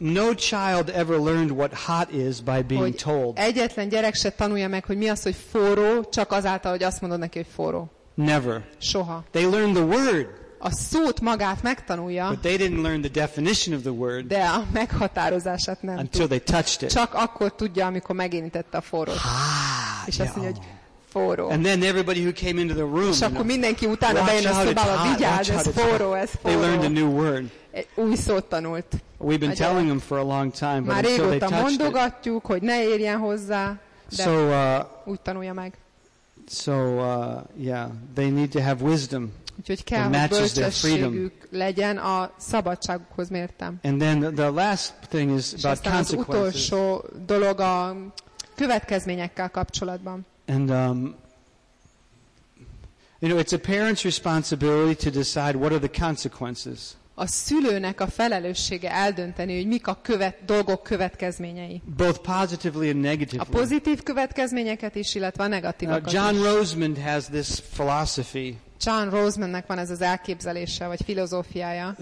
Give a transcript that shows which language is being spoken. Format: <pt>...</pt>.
<en>No child ever learned what hot is by being told.</en> <hu>Egyetlen gyerek se tanulja meg, hogy mi az, hogy forró, csak azáltal, hogy azt mondod neki, hogy forró.</hu> <en>Never.</en> <hu>Soha.</hu> <en>They learn the word.</en> <hu>A szót magát megtanulja.</hu> <en>But they didn't learn the definition of the word.</en> <hu>De a meghatározását nem.</hu> <en>Until they touched it.</en> <hu>Csak akkor tudja, amikor megérintette a forrót. És azt mondja, hogy forró.</hu> <en>And then everybody who came into the room.</en> <hu>És akkor mindenki utána bejön a szobába, vigyázz, ez forró, ez forró.</hu> <en>They learned a new word.</en> <hu>Új szót tanult.</hu> <en>We've been telling them for a long time, but until they touched it.</en> <hu>Már régóta mondogatjuk, hogy ne érjen hozzá, de úgy tanulja meg.</hu> <en>So yeah, they need to have wisdom.</en> <hu>Úgyhogy kell, hogy bölcsességük legyen a szabadságukhoz mértem.</hu> <en>And then the last thing is about consequences.</en> <hu>És aztán az utolsó dolog a következményekkel kapcsolatban.</hu> <en>And you know, it's a parent's responsibility to decide what are the consequences.</en> <hu>A szülőnek a felelőssége eldönteni, hogy mik a dolgok következményei.</hu> <en>Both positively and negatively.</en> <hu>A pozitív következményeket is, illetve a negatívokat is.</hu> <en>John Rosemond has this philosophy.</en> <hu>John Rosemondnek van ez az elképzelése vagy filozófiája.</hu>